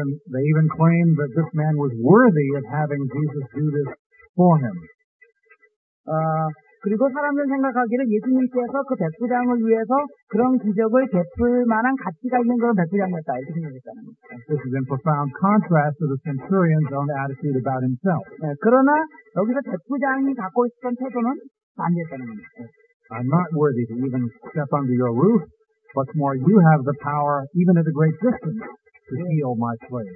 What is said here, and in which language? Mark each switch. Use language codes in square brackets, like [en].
[en] They even claimed that this man was worthy of having Jesus do this for him. [ko] 그리고 사람들 생각하기를 예수님께서 그 백부장을 위해서 그런 기적을 베풀 만한 가치가 있는 그런 백부장이었다 이렇게 생각했다는 겁니다. [en] This is in profound contrast to the centurion's own attitude about himself. [ko] 네, 그러나 여기서 백부장이 갖고 있었던 태도는 반대였다는 겁니다. [en] I'm not worthy to even step under your roof, What's more, you have the power, even at a great distance, to heal my slave.